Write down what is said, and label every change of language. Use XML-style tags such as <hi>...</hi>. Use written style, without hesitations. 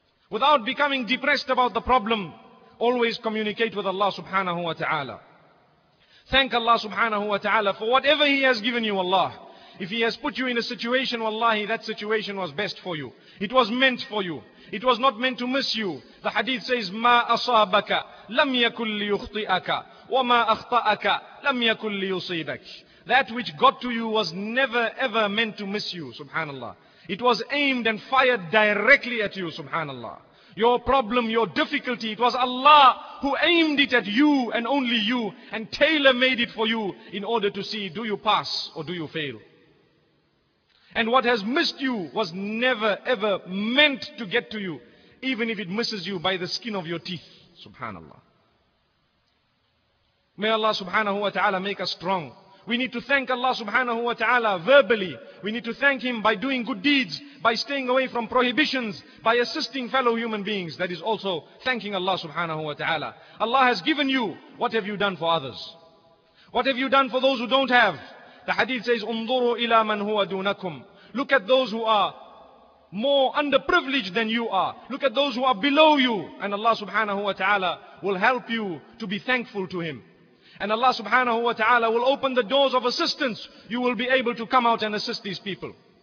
<en>Without becoming depressed about the problem, always communicate with Allah subhanahu wa ta'ala. Thank Allah subhanahu wa ta'ala for whatever He has given you, Allah. If He has put you in a situation, wallahi, that situation was best for you. It was meant for you. It was not meant to miss you. The hadith says,</en> <ar>مَا أَصَابَكَ لَمْ يَكُلْ لِيُخْطِئَكَ وَمَا أَخْطَأَكَ لَمْ يَكُلْ لِيُصِيبَكَ.</ar> <en>That which got to you was never ever meant to miss you, subhanallah. It was aimed and fired directly at you, subhanallah. Your problem, your difficulty, it was Allah who aimed it at you and only you and tailor made it for you in order to see, do you pass or do you fail? And what has missed you was never ever meant to get to you, even if it misses you by the skin of your teeth, subhanallah. May Allah subhanahu wa ta'ala make us strong. We need to thank Allah subhanahu wa ta'ala verbally. We need to thank Him by doing good deeds, by staying away from prohibitions, by assisting fellow human beings. That is also thanking Allah subhanahu wa ta'ala. Allah has given you. What have you done for others? What have you done for those who don't have? The hadith says,</en> <ar>انظروا إلى من هو دونكم.</ar> <en>Look at those who are more underprivileged than you are. Look at those who are below you. And Allah subhanahu wa ta'ala will help you to be thankful to Him. And Allah subhanahu wa ta'ala will open the doors of assistance. You will be able to come out and assist these people.</en>